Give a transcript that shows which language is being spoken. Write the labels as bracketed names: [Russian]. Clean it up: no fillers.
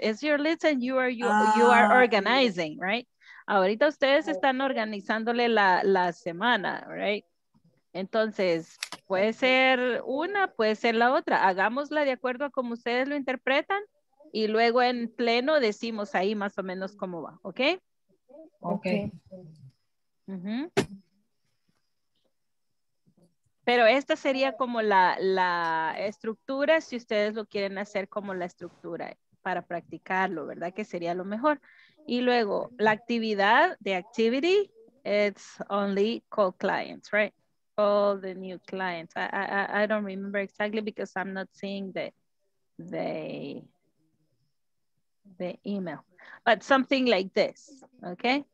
[English] It's your list and you are organizing, right? [Spanish] Ahorita ustedes están organizándole la semana, right? Entonces, puede ser una, puede ser la otra. Hagámosla de acuerdo a cómo ustedes lo interpretan y luego en pleno decimos ahí más o menos cómo va, ¿ok? Ok. Pero esta sería como la estructura, si ustedes lo quieren hacer como la estructura para practicarlo, ¿verdad? Que sería lo mejor. Y luego, la actividad, [English] the activity, it's only call clients, right? Okay. call the new client? I don't remember exactly because I'm not seeing the email, but something like this, okay?